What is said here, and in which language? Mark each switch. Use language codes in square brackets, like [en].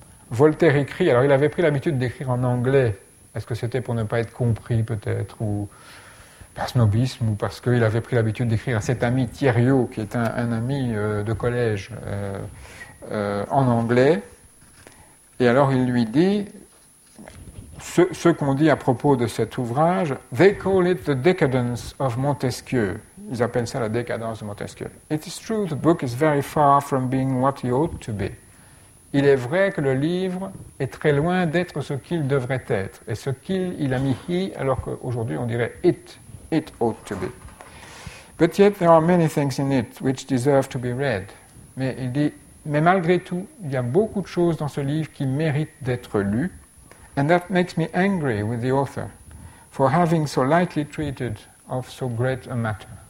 [fr] Voltaire écrit, alors il avait pris l'habitude d'écrire en anglais, est-ce que c'était pour ne pas être compris peut-être, ou par snobisme, ou parce qu'il avait pris l'habitude d'écrire à cet ami Thieriot, qui est un ami de collège, en anglais, et alors il lui dit, ce qu'on dit à propos de cet ouvrage, « They call it the decadence of Montesquieu ». Ils appellent ça la décadence de Montesquieu. [en] It is true, the book is very far from being what he ought to be. [fr] Il est vrai que le livre est très loin d'être ce qu'il devrait être. Et ce qu'il, il a mis he, alors qu'aujourd'hui on dirait it ought to be. [en] But yet there are many things in it which deserve to be read. [fr] Mais il dit, mais malgré tout, il y a beaucoup de choses dans ce livre qui méritent d'être lues. [en] And that makes me angry with the author for having so lightly treated of so great a matter.